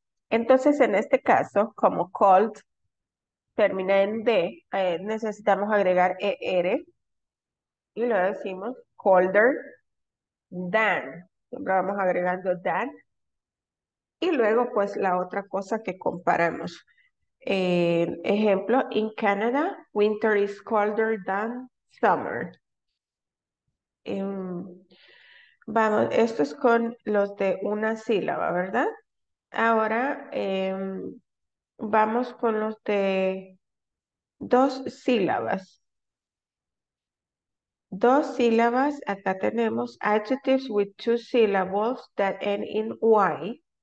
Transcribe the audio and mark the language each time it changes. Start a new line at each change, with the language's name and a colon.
Spanish: Entonces, en este caso, como called termina en D, necesitamos agregar ER. Y lo decimos
English: colder than.
Spanish: Siempre vamos agregando than. Y luego, pues, la otra cosa que comparamos. Ejemplo,
English: in Canada, winter is colder than summer.
Spanish: Vamos, esto es con los de una sílaba, ¿verdad? Ahora, vamos con los de dos sílabas. Dos sílabas, acá tenemos
English: adjectives with two syllables that end in Y.